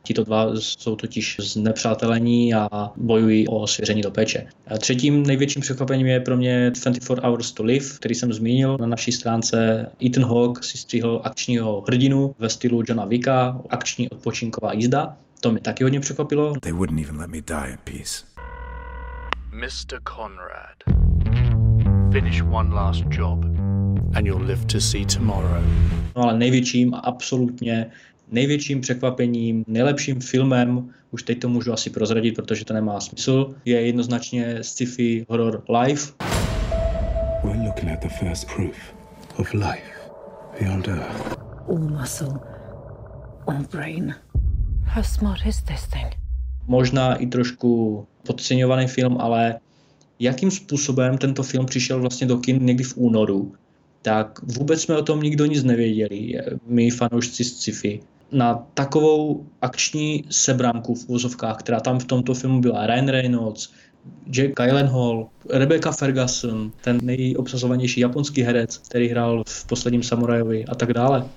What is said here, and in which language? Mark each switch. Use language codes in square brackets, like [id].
[cs] Tito dva jsou totiž znepřátelení a bojují o svěření do péče. A třetím největším překvapením je pro mě 24 Hours to Live, který jsem zmínil na naší stránce. Ethan Hawke si stříhl akčního hrdinu ve stylu Johna Wicka, akční odpočinková jízda. To mě taky hodně překvapilo. [en] They wouldn't even let me die in peace. Mr. Conrad, finish one last job and you'll live to see tomorrow. [cs] No ale největším, absolutně největším překvapením, nejlepším filmem, už teď to můžu asi prozradit, protože to nemá smysl, je jednoznačně sci-fi horror Life. [en] We're looking looking at the first proof of life beyond Earth. All muscle, all brain. How smart is this thing? [cs] Možná i trošku podceňovaný film, ale jakým způsobem tento film přišel vlastně do kin někdy v únoru, tak vůbec jsme o tom nikdo nic nevěděli, my fanoušci z sci-fi. Na takovou akční sebranku v uvozovkách, která tam v tomto filmu byla, Ryan Reynolds, Jake Gyllenhaal, Rebecca Ferguson, ten nejobsazovanější japonský herec, který hrál v Posledním samurajovi a tak dále.